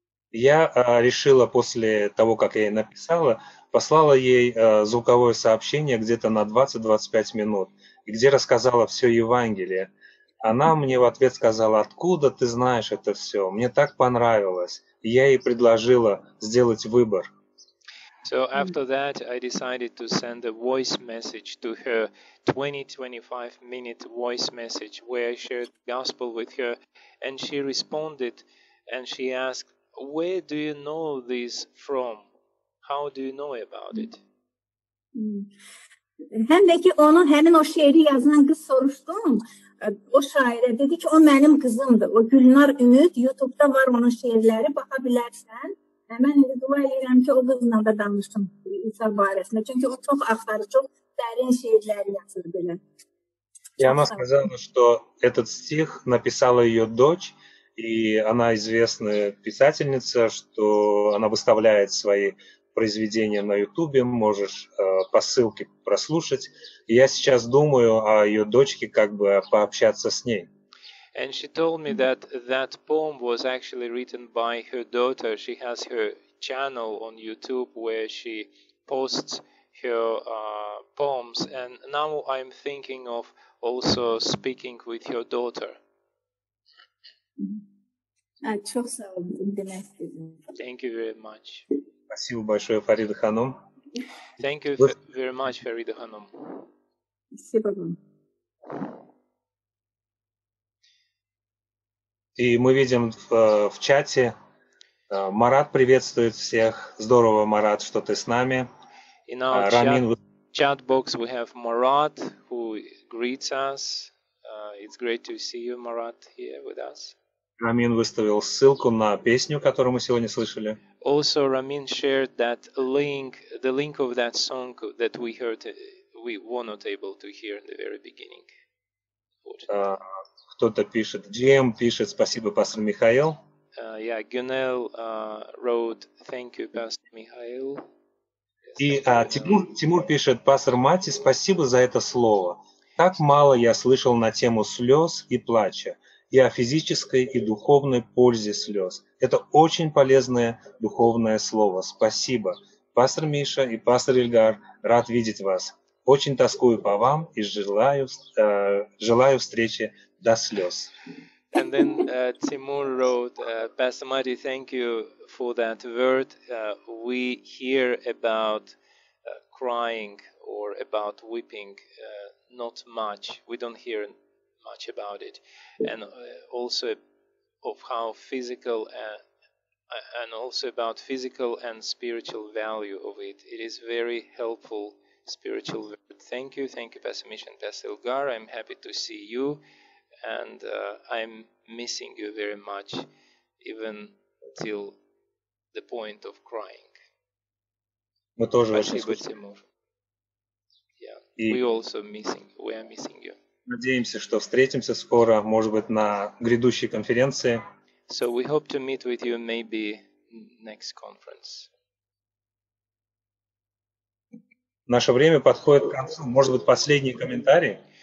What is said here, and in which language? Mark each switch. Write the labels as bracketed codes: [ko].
[ru] Я решила после того, как я ей написала, послала ей звуковое сообщение где-то на 20-25 минут, где рассказала все Евангелие. Она мне в ответ сказала, откуда ты знаешь это все? Мне так понравилось. Я ей предложила сделать выбор. [en] So after that, I decided to send a voice message to her, 20-25-minute voice message, where I shared the gospel with her, and she responded, and she asked, where do you know this from? How do you know about it? [tr] Hem de ki onu, hemen o şiiri yazan kız soruştum, o şaire dedi ki, o benim kızımdı, o Gülnar Ümit, YouTube'da var onun şiirleri, bakabilirsen. [az] Mən də dua edirəm ki, o qızla da danışdım İsa barəsində. Çünki o çox axtarır, çox dərin şeirlər yazır belə. [ru] Я она сказала, что этот стих написала ее дочь, и она известная писательница, что она выставляет свои произведения на Ютубе, можешь по ссылке прослушать. И я сейчас думаю о ее дочке, как бы пообщаться с ней. [en] And she told me that that poem was actually written by her daughter. She has her channel on YouTube where she posts her poems. And now I'm thinking of also speaking with your daughter. Thank you very much. [ru] Спасибо большое, Фарида Ханум. [en] Thank you very much, Фарида Ханум. [ru] И мы видим в чате, Марат приветствует всех. Здорово, Марат, что ты с нами. [en] In our Рамин... chat box we have Marat, who greets us. It's great to see you, Marat, here with us. [ru] Рамин выставил ссылку на песню, которую мы сегодня слышали. [en] Also, Рамин shared that link, the link of that song that we heard, we were not able to hear in the very beginning. [ru] Кто-то пишет, GM пишет, спасибо, пастор Михаил. [en] Yeah, Gunel wrote, thank you, пастор Михаил. [ru] И Тимур пишет, пастор Мати, спасибо за это слово. Так мало я слышал на тему слез и плача, и о физической и духовной пользе слез. Это очень полезное духовное слово. Спасибо, пастор Миша и пастор Ильгар, рад видеть вас. Очень тоскую по вам и желаю встречи до слез. [en] And then Timur wrote, Pastor Marty, thank you for that word. We hear about crying or about weeping not much. We don't hear much about it. And also of how physical and also about physical and spiritual value of it. It is very helpful. Spiritual word. Thank you, Pastor Misha and Pastor Ilgar. I'm happy to see you, and I'm missing you very much, even till the point of crying. [ru] Мы тоже спасибо, [en] Тимур. Yeah. We also missing. We are missing you. [ru] Надеемся, что встретимся скоро, может быть, на грядущей конференции. [en] So we hope to meet with you maybe next conference. [ru] Наше время подходит к концу. Может быть, последний комментарий?